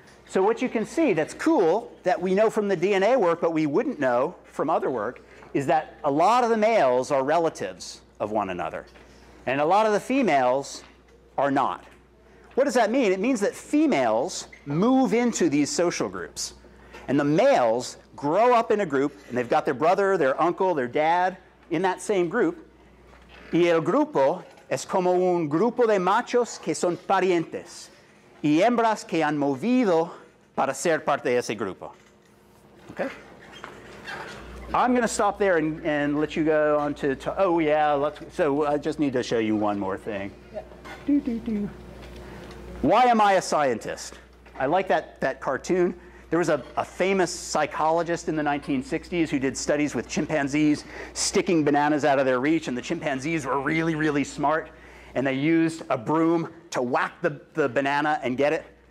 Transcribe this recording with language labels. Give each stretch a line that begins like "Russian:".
English: So what you can see that's cool, that we know from the DNA work, but we wouldn't know from other work, is that a lot of the males are relatives of one another. And a lot of the females are not. What does that mean? It means that females move into these social groups. And the males grow up in a group, and they've got their brother, their uncle, their dad in that same group.
Spanish: Y el grupo es como un grupo de machos que son parientes y hembras que han movido para ser parte de ese grupo.
English: Okay? I'm going to stop there and let you go on to oh, yeah, so I just need to show you one more thing. Yeah. Why am I a scientist? I like that cartoon. There was a famous psychologist in the 1960s who did studies with chimpanzees sticking bananas out of their reach, and the chimpanzees were really, really smart, and they used a broom to whack the banana and get it.